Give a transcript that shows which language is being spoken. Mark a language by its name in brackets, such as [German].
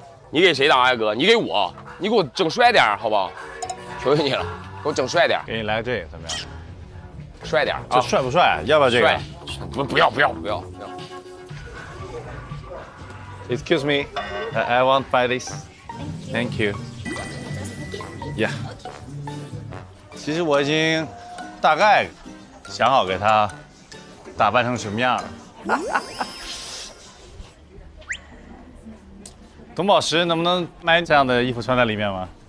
[Chinese] 你给谁打呀，哥？你给我，你给我整帅点，好不好？求求你了，给我整帅点。给你来个这个，怎么样？帅点啊，这帅不帅、啊、要不要这个帅不要不要不要不要 [English] excuse me I want to buy this thank you [Chinese] yeah 其实我已经大概想好给他打扮成什么样了董宝石能不能买这样的衣服穿在里面吗？